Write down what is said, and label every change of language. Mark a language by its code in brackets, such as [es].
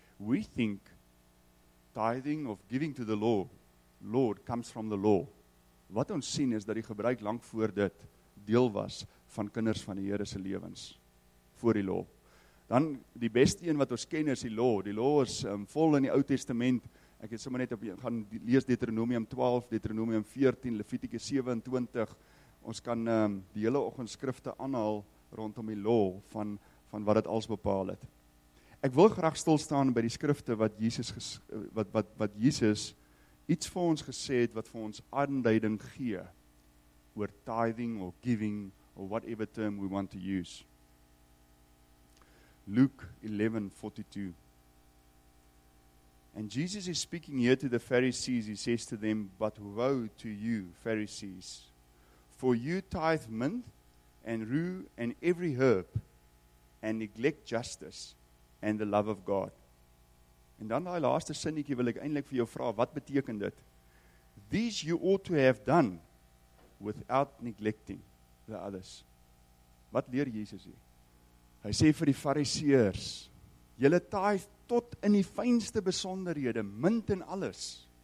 [en] We think tithing of giving to the Lord comes from the law. [af] Wat ons sien is dat die gebruik lank voor dit deel was van kinders van die Here se lewens, voor die law. Dan die beste een wat ons ken is die law. Die law is vol in die Ou Testament. Ek het sommer net op gaan lees Deuteronomium 12, Deuteronomium 14, Levitikus 27. Ons kan die hele oggend skrifte aanhaal rondom die law van wat dit als bepaal het. Ek wil graag stilstaan by die skrifte wat Jesus iets vir ons gesê het wat vir ons aanduiding gee oor [en] tithing or giving or whatever term we want to use. Luke 11:42. And Jesus is speaking here to the Pharisees. He says to them, but woe to you, Pharisees, for you tithe mint and rue and every herb and neglect justice and the love of God. [af] En dan die laaste sinnetjie wil ek eintlik vir jou vra, wat beteken dit? [en] These you ought to have done without neglecting the others. [af] Wat leer Jesus hier? Hy sê vir die Fariseërs, Julle taai tot in die fynste besonderhede, mint en alles.